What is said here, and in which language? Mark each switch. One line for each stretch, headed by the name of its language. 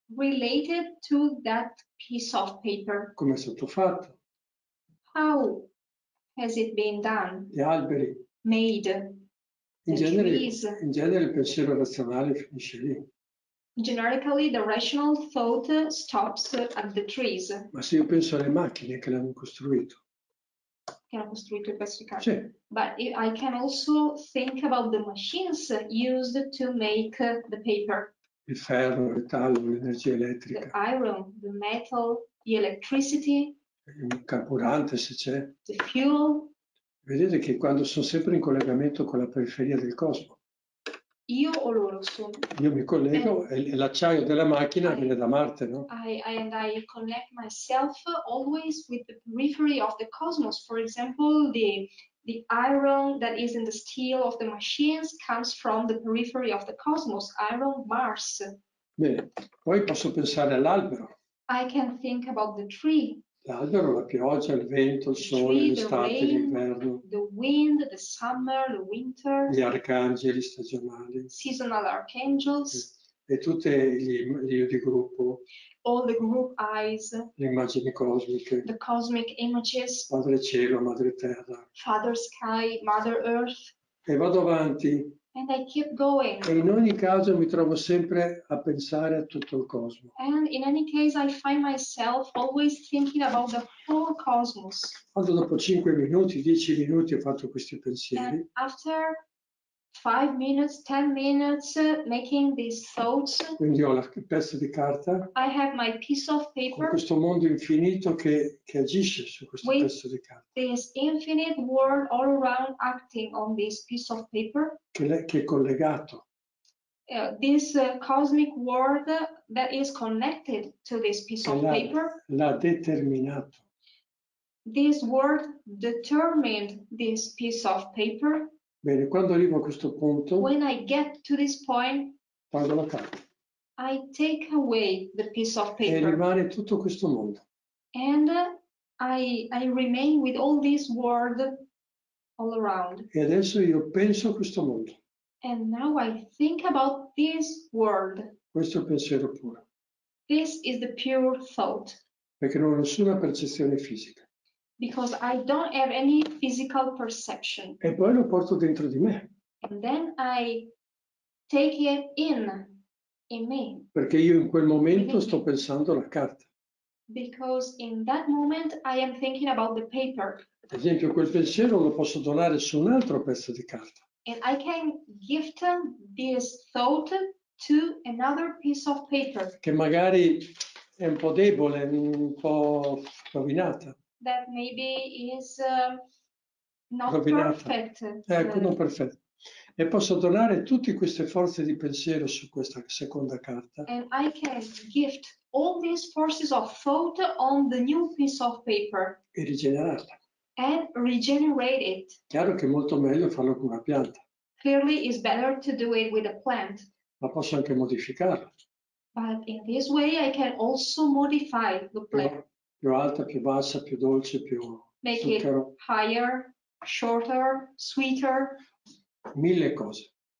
English: related to that piece of paper.
Italian: Come è stato fatto?
English: How has it been done?
Italian: Gli alberi.
English: Made.
Italian: In genere il pensiero razionale finisce lì.
English: Generically, the rational thought stops at the trees.
Italian: Ma se io penso alle macchine che l'hanno costruito. Che hanno costruito il pezzo di carta. Sì.
English: But I can also think about the machines used to make the paper.
Italian: Il ferro, il metallo, l'energia elettrica.
English: The iron, the metal, the electricity.
Italian: Il carburante, se c'è.
English: The fuel.
Italian: Vedete che quando sono sempre in collegamento con la periferia del cosmo. Io o loro sono. Io mi collego e l'acciaio della macchina viene da Marte, no?
English: I connect myself always with the periphery of the cosmos. For example, the iron that is in the steel of the machines comes from the periphery of the cosmos. Iron, Mars.
Italian: Bene, poi posso pensare all'albero.
English: I can think about the tree.
Italian: L'albero, la pioggia, il vento, il sole, l'estate,
English: rain,
Italian: l'inverno.
English: The wind, the summer, the winter.
Italian: Gli arcangeli stagionali.
English: Seasonal archangels.
Italian: E tutti gli io di gruppo.
English: All the group eyes.
Italian: Le immagini cosmiche.
English: The cosmic images.
Italian: Padre cielo, madre terra.
English: Father sky, mother earth.
Italian: E vado avanti.
English: And I keep going.
Italian: E in ogni caso mi trovo sempre a pensare a tutto il cosmo.
English: And in any case I find myself always thinking about the whole cosmos.
Italian: Quando dopo 5 minuti, 10 minuti ho fatto questi pensieri.
English: And after 5 minutes, 10 minutes making these thoughts.
Italian: Quindi ho il pezzo di carta.
English: I have my piece of paper.
Italian: Con questo mondo infinito che agisce su questo pezzo di carta.
English: This infinite world all around acting on this piece of paper.
Italian: Che è collegato.
English: This cosmic world that is connected to this piece of paper.
Italian: L'ha determinato.
English: This world determined this piece of paper.
Italian: Bene, quando arrivo a questo punto.
English: When I get to this point.
Italian: Tolgo la carta.
English: I take away the piece of paper.
Italian: E rimane tutto questo mondo.
English: And I remain with all this world. All around.
Italian: E adesso io penso a questo mondo.
English: And now I think about this world.
Italian: Questo è il pensiero puro.
English: This is the pure thought.
Italian: Perché non ho nessuna percezione fisica.
English: Because I don't have any physical perception.
Italian: E poi lo porto dentro di me.
English: And then I take it in me.
Italian: Perché io in quel momento sto pensando alla carta.
English: Because in that moment I am thinking about the paper.
Italian: Ad esempio, quel pensiero lo posso donare su un altro pezzo di carta.
English: And I can gift this thought to another piece of paper.
Italian: Che magari è un po' debole, un po' rovinata.
English: That maybe is not
Italian: rovinata.
English: Perfect.
Italian: Ecco, non perfetto. E posso donare tutte queste forze di pensiero su questa seconda carta.
English: And I can gift all these forces of thought on the new piece of paper.
Italian: E rigenerarla.
English: And regenerate it.
Italian: Chiaro che è molto meglio farlo con una pianta.
English: Clearly it's better to do it with a plant.
Italian: Ma posso anche modificarla.
English: But in this way I can also modify the plant.
Italian: Più alta, più bassa, più dolce, più
English: make it higher, shorter, sweeter.
Italian: Mille cose.